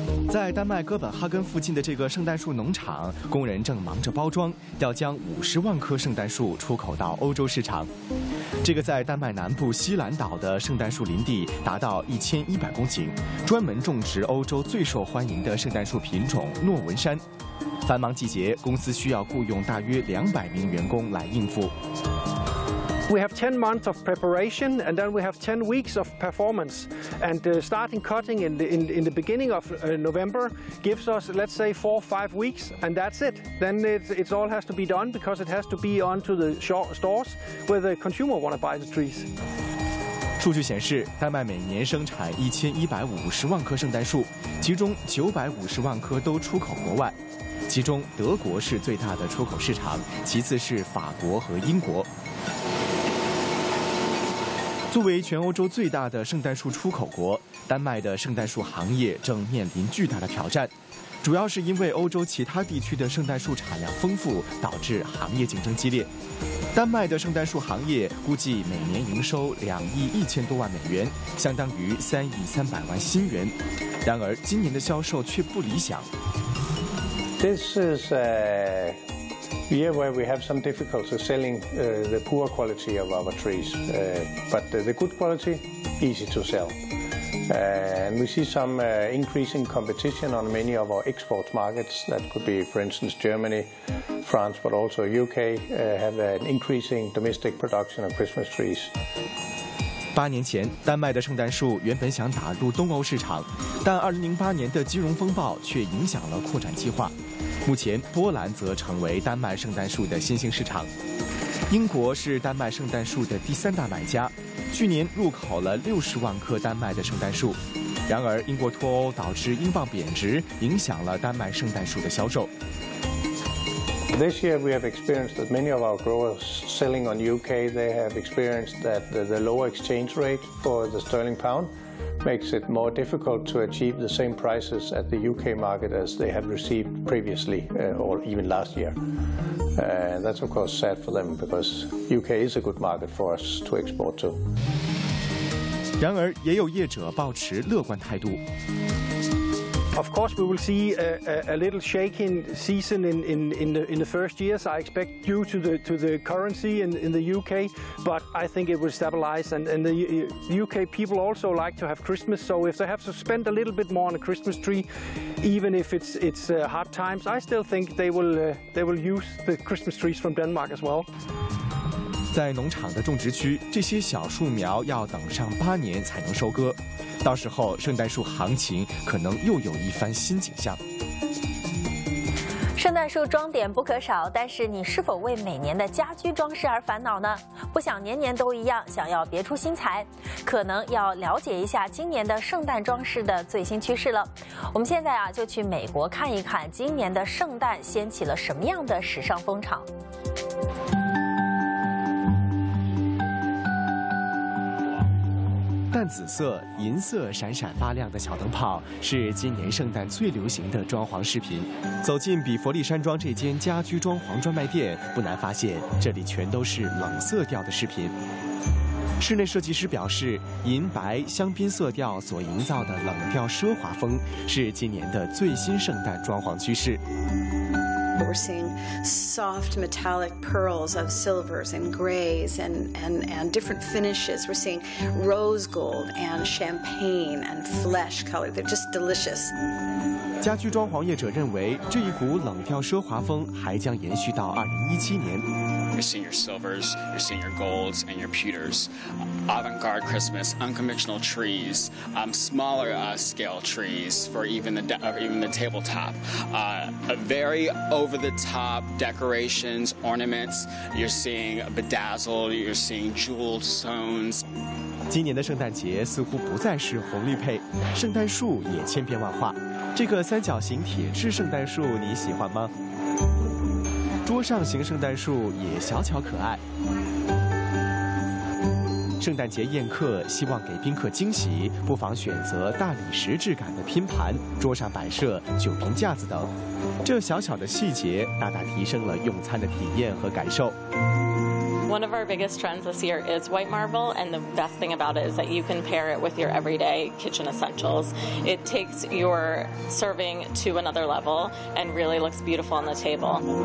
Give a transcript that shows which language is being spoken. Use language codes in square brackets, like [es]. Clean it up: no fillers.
[zh] 在丹麦哥本哈根附近的这个圣诞树农场，工人正忙着包装，要将50万棵圣诞树出口到欧洲市场。这个在丹麦南部西兰岛的圣诞树林地达到1100公顷，专门种植欧洲最受欢迎的圣诞树品种诺文山。繁忙季节，公司需要雇佣大约200名员工来应付。 [en] We have 10 months of preparation and then we have 10 weeks of performance. And starting cutting in the beginning of November gives us, let's say, 4 or 5 weeks, and that's it. Then it all has to be done because it has to be onto the stores where the consumer want to buy the trees. [zh] 数据显示，丹麦每年生产1150万棵圣诞树，其中950万棵都出口国外。其中德国是最大的出口市场，其次是法国和英国。作为全欧洲最大的圣诞树出口国，丹麦的圣诞树行业正面临巨大的挑战，主要是因为欧洲其他地区的圣诞树产量丰富，导致行业竞争激烈。丹麦的圣诞树行业估计每年营收2亿1000多万美元，相当于3亿300万新元，然而今年的销售却不理想。 [en] This is a year where we have some difficulty selling the poor quality of our trees, but the good quality easy to sell. And we see some increasing competition on many of our export markets. That could be, for instance, Germany, France, but also UK have an increasing domestic production of Christmas trees. [zh] 8年前，丹麦的圣诞树原本想打入东欧市场，但2008年的金融风暴却影响了扩展计划。目前波兰则成为丹麦圣诞树的新兴市场，英国是丹麦圣诞树的第三大买家，去年入口了60万棵丹麦的圣诞树。然而英国脱欧导致英镑贬值，影响了丹麦圣诞树的销售。 [en] This year we have experienced that many of our growers selling on UK, they have experienced that the lower exchange rate for the sterling pound makes it more difficult to achieve the same prices at the UK market as they have received previously, or even last year. And that's of course sad for them because UK is a good market for us to export to. [zh] 然而，也有业者抱持乐观态度。 [en] Of course, we will see a little shaky season in the first years. I expect due to the currency in the UK, but I think it will stabilize. And the UK people also like to have Christmas, so if they have to spend a little bit more on a Christmas tree, even if it's hard times, I still think they will use the Christmas trees from Denmark as well. [zh] 在农场的种植区，这些小树苗要等上八年才能收割。到时候，圣诞树行情可能又有一番新景象。圣诞树装点不可少，但是你是否为每年的家居装饰而烦恼呢？不想年年都一样，想要别出心裁，可能要了解一下今年的圣诞装饰的最新趋势了。我们现在啊，就去美国看一看，今年的圣诞掀起了什么样的时尚风潮。淡紫色、银色闪闪发亮的小灯泡是今年圣诞最流行的装潢饰品。走进比佛利山庄这间家居装潢专卖店，不难发现这里全都是冷色调的饰品。室内设计师表示，银白香槟色调所营造的冷调奢华风是今年的最新圣诞装潢趋势。 [en] We're seeing soft metallic pearls of silvers and grays and different finishes. We're seeing rose gold and champagne and flesh color. They're just delicious. [zh] 家居装潢业者认为，这一股冷调奢华风还将延续到2017年。 [en] You're seeing your silvers, you're seeing your golds and your pewters, avant-garde Christmas, unconventional trees, smaller scale trees for even the tabletop, very over-the-top decorations, ornaments. You're seeing bedazzled, you're seeing jeweled stones. [zh] 今年的圣诞节似乎不再是红绿配，圣诞树也千变万化。这个三角形铁质圣诞树你喜欢吗？桌上型圣诞树也小巧可爱。圣诞节宴客希望给宾客惊喜，不妨选择大理石质感的拼盘、桌上摆设、酒瓶架子等。这小小的细节大大提升了用餐的体验和感受。 [en] One of our biggest trends this year is white marble, and the best thing about it is that you can pair it with your everyday kitchen essentials. It takes your serving to another level and really looks beautiful on the table.